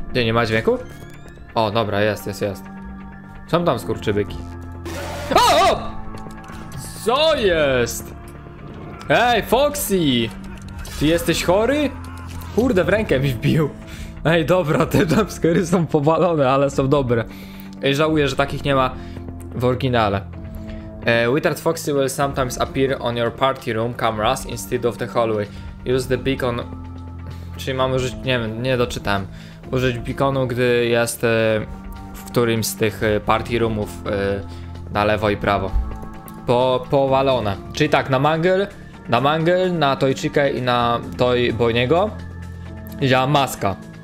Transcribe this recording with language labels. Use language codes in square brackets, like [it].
[pl] Gdzie, nie ma dźwięku? O, dobra, jest, jest, jest. Są tam skurczybyki. O, o! Co jest? Ej, Foxy! Ty jesteś chory? Kurde, w rękę mi wbił. Ej, dobra, te jumpscary są powalone, ale są dobre. Ej, żałuję, że takich nie ma w oryginale. [en] Withered Foxy will sometimes appear on your party room cameras instead of the hallway. Use the beacon. [pl] Czyli mam użyć, nie wiem, nie doczytałem. Użyć beaconu, gdy jest w którymś z tych party roomów na lewo i prawo. Powalone. Czyli tak, na Mangle, na Toy Chica i na Toy Boniego działa maska.